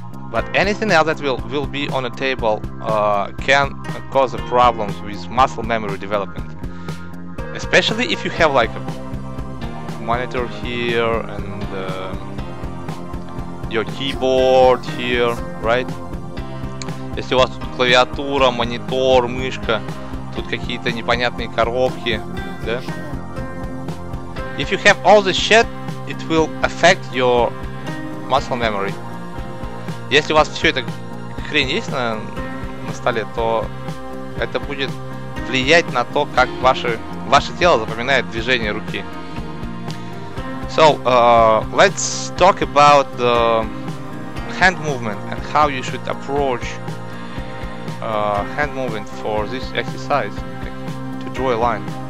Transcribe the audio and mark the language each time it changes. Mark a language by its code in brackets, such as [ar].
[en] But anything else that will be on a table can cause a problems with muscle memory development. Especially if you have like a monitor here and your keyboard here, right? [ru] Если у вас тут клавиатура, монитор, мышка, тут какие-то непонятные коробки, да? [en] If you have all this shit, it will affect your muscle memory. [ru] Если у вас все это хрень есть на столе, то это будет влиять на то, как ваше тело запоминает движение руки. [en] So, let's talk about the hand movement and how you should approach hand movement for this exercise, like, to draw a line.